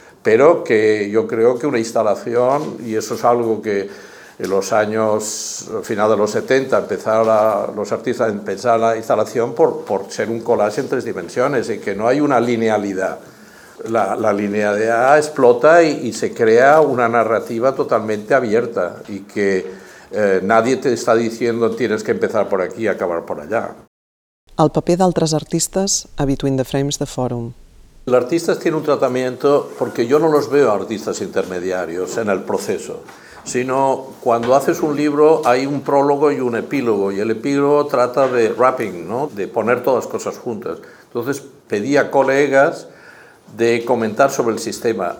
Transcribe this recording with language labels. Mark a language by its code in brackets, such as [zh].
[es] Pero que yo creo que una instalación, y eso es algo que en los años, al final de los 70, empezaron los artistas a pensar la instalación por ser un collage en 3 dimensiones y que no hay una linealidad. La línea de A explota y se crea una narrativa totalmente abierta y que nadie te está diciendo tienes que empezar por aquí y acabar por allá. [ca] El paper d'altres artistes a Between the Frames de Fòrum. [es] Los artistas tienen un tratamiento porque yo no los veo artistas intermediarios en el proceso, sino cuando haces un libro hay un prólogo y un epílogo y el epílogo trata de wrapping, ¿no? De poner todas las cosas juntas. Entonces pedí a colegas de comentar sobre el sistema.